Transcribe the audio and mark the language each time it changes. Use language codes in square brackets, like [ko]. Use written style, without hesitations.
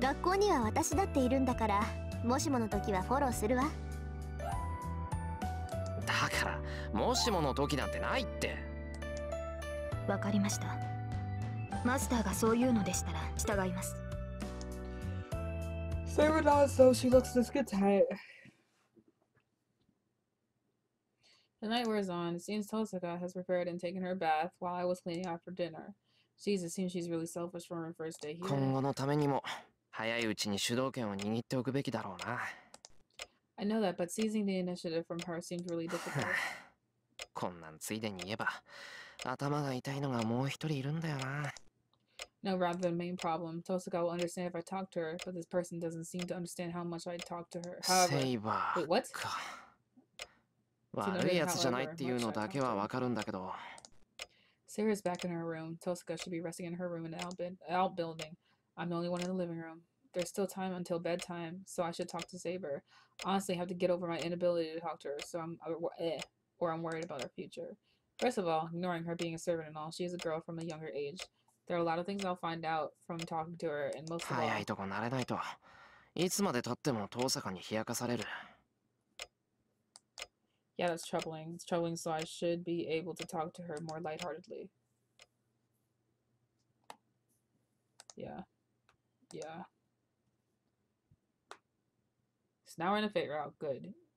[ja] 学校には私だっているんだから、もしもの時はフォローするわ。だからもしもの時なんてないって。わかりました、マスターがそう言うのでしたら従います。 [en] Saber nods, so she looks discontent. The night wears on. It seems Tosaka has prepared and taken her bath while I was cleaning up for dinner. Jesus, seems she's really selfish from her first day here. [ja] 今後のためにも早いうちに主導権を握っておくべきだろうな。 [en] I know that, but seizing the initiative from her seemed really difficult. [ja] こんなんついでに言えば、頭が痛いのがもう一人いるんだよな。 [en] No, rather than main problem, Tosaka will understand if I talk to her, but this person doesn't seem to understand how much I talk to her. Saber. Wait, [ja] what? 悪いやつじゃないっていうのだけはわかるんだけど。 [en] Sarah's back in her room. Tosaka should be resting in her room in the outbuilding. I'm the only one in the living room. There's still time until bedtime, so I should talk to Saber. Honestly, I have to get over my inability to talk to her, so I'm worried about her future. First of all, ignoring her being a servant and all, she is a girl from a younger age. There are a lot of things I'll find out from talking to her, and most of all... [ja] 早いとこ慣れないと。いつまで経っても遠坂に冷やかされる。 [en] Yeah, that's troubling. It's troubling, so I should be able to talk to her more lightheartedly. Yeah. Yeah. Now we're gonna figure out. Good.